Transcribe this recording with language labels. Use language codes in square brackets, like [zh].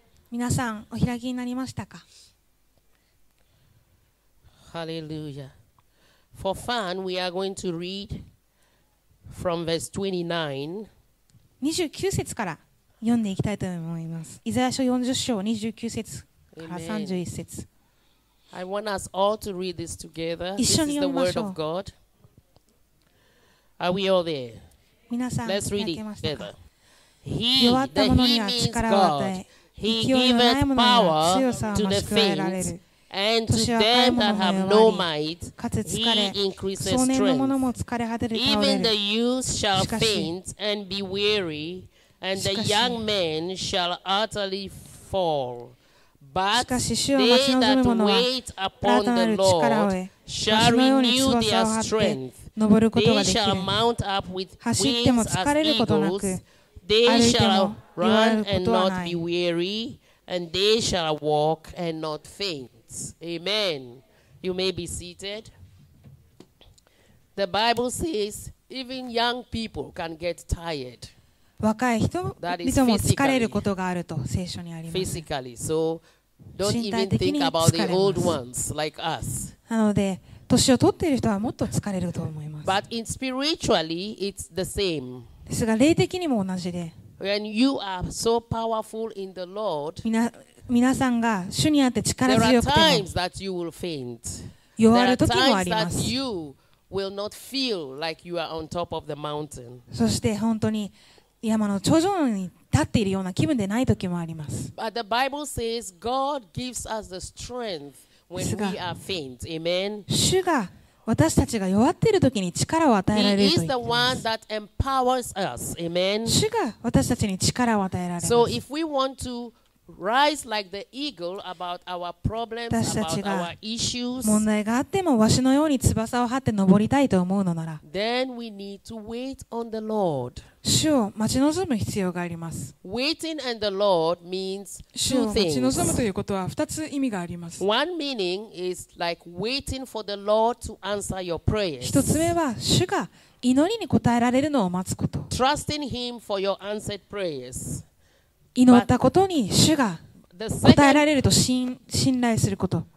[ja] 皆さん, お開きになりましたか? [en] Hallelujah. For fun, we are going to read from verse 29. [ja] 29節から読んでいきたいと思います。イザヤ書40章29節から31節。 [en] I want us all to read this together. This is the word of God. Are we all there? [ja] 皆さん、 [en] let's read it together. He, the He is God. He giveth power to the faint. And to them that have no might, he increases strength. Even the youth shall faint and be weary, and the young men shall utterly fall. But they that wait upon the Lord shall renew their strength. They shall mount up with wings as eagles. They shall run and not be weary, and they shall walk and not faint. Amen. You may be seated. The Bible says even young people can get tired. [ja] 若い人も疲れることがあると聖書にあります。 [en] Physically, so don't even think about the old ones like us. [ja] なので年を取っている人はもっと疲れると思います。 [en] But in spiritually, it's the same. [ja] ですが霊的にも同じで。 [en] When you are so powerful in the Lord. [ja] 皆さんが主にあって力強くても、 [en] There are times that you will faint. [ja] 弱る時もあります。 [en] There are times that you will not feel like you are on top of the mountain. [ja] そして本当に山の頂上に立っているような気分でない時もあります。 [en] But the Bible says God gives us the strength when we are faint. Amen. [ja] 主が私たちが弱っている時に力を与えられると言っています。 [en] He is the one that empowers us. Amen. [ja] 主が私たちに力を与えられます。 [en] So if we want to rise like the eagle about our problems, about our issues. [ja] 問題があってもわしのように翼を張って登りたいと思うのなら、 [en] then we need to wait on the Lord. [ja] 主を待ち望む必要があります。 [en] Waiting on the Lord means two things. [ja] 主を待ち望むということは二つ意味があります。 [en] One meaning is like waiting for the Lord to answer your prayers. [ja] 一つ目は主が祈りに答えられるのを待つこと。 [en] Trusting Him for your answered prayers. [ja] 祈ったことに主が答えられると信頼すること。